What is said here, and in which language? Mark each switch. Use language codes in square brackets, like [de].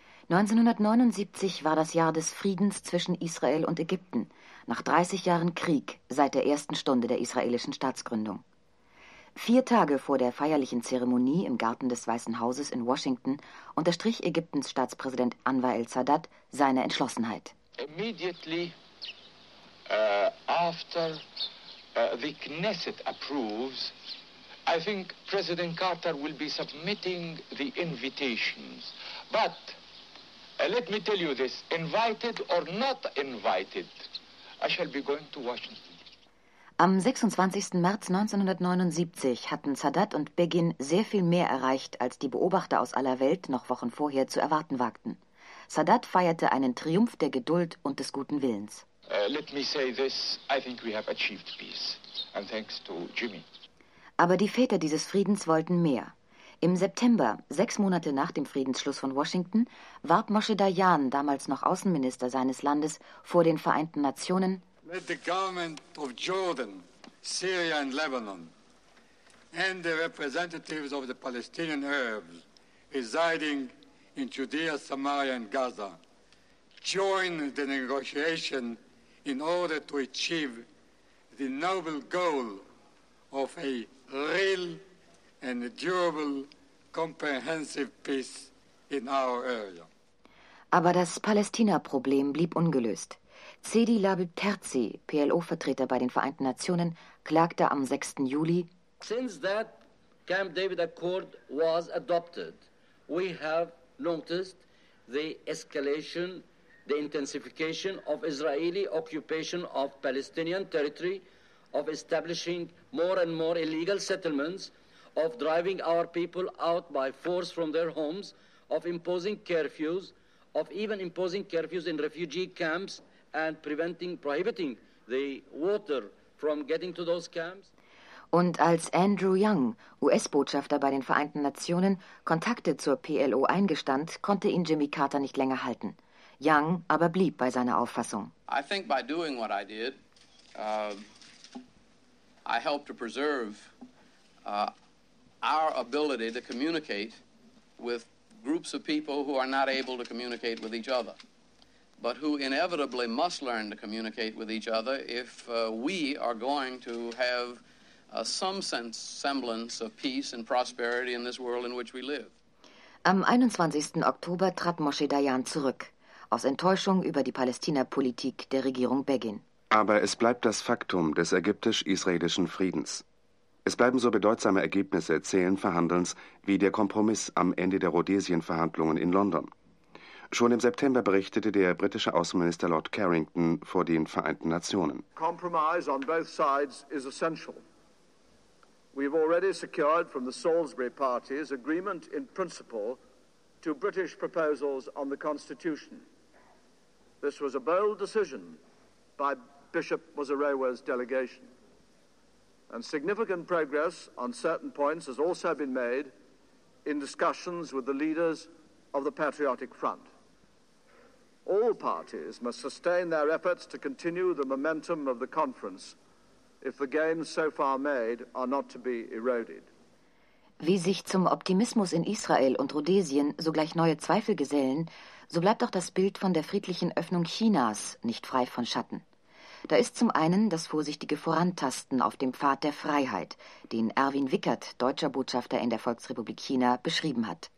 [de] 1979 war das Jahr des Friedens zwischen Israel und Ägypten, nach 30 Jahren Krieg seit der ersten Stunde der israelischen Staatsgründung. 4 Tage vor der feierlichen Zeremonie im Garten des Weißen Hauses in Washington unterstrich Ägyptens Staatspräsident Anwar el-Sadat seine Entschlossenheit. [en] Immediately after the Knesset approves, I think President Carter will be submitting the invitations. But let me tell you this, invited or not invited, I shall be going to Washington. [de] Am 26. März 1979 hatten Sadat und Begin sehr viel mehr erreicht, als die Beobachter aus aller Welt noch Wochen vorher zu erwarten wagten. Sadat feierte einen Triumph der Geduld und des guten Willens. [en] Let me say this, I think we have achieved peace, and thanks to Jimmy. [de] Aber die Väter dieses Friedens wollten mehr. Im September, 6 Monate nach dem Friedensschluss von Washington, warb Moshe Dayan, damals noch Außenminister seines Landes, vor den Vereinten Nationen: [en] Let the government of Jordan, Syria and Lebanon and the representatives of the Palestinian Arabs residing in Judea, Samaria and Gaza join the negotiation in order to achieve the noble goal of a real and durable comprehensive peace in our area. [de] Aber das Palästina-Problem blieb ungelöst. Zedi Labib Terzi, PLO-Vertreter bei den Vereinten Nationen, klagte am 6. Juli: [en] Since that Camp David Accord was adopted, we have noticed the escalation, the intensification of Israeli occupation of Palestinian territory, of establishing more and more illegal settlements, of driving our people out by force from their homes, of imposing curfews, of even imposing curfews in refugee camps, and prohibiting the water from getting to those camps. [de] Und als Andrew Young, US-Botschafter bei den Vereinten Nationen, Kontakte zur PLO eingestand, konnte ihn Jimmy Carter nicht länger halten. Young aber blieb bei seiner Auffassung. [en] I think by doing what I did, I helped to preserve our ability to communicate with groups of people who are not able to communicate with each other. But who inevitably must learn to communicate with each other if we are going to have some sense, semblance of peace and prosperity in this world in which we live. [de] Am 21. Oktober trat Moshe Dayan zurück, aus Enttäuschung über die Palästina-Politik der Regierung Begin. Aber es bleibt das Faktum des ägyptisch-israelischen Friedens. Es bleiben so bedeutsame Ergebnisse zählen Verhandelns wie der Kompromiss am Ende der Rhodesien-Verhandlungen in London. Schon im September berichtete der britische Außenminister Lord Carrington vor den Vereinten Nationen. [en] Compromise on both sides is essential. We've already secured from the Salisbury parties agreement in principle to British proposals on the Constitution. This was a bold decision by Bishop Muzorewa's delegation. And significant progress on certain points has also been made in discussions with the leaders of the Patriotic Front. All parties must sustain their efforts to continue the momentum of the conference, if the gains so far made are not to be eroded. [de] Wie sich zum Optimismus in Israel und Rhodesien sogleich neue Zweifel gesellen, so bleibt auch das Bild von der friedlichen Öffnung Chinas nicht frei von Schatten. Da ist zum einen das vorsichtige Vorantasten auf dem Pfad der Freiheit, den Erwin Wickert, deutscher Botschafter in der Volksrepublik China, beschrieben hat.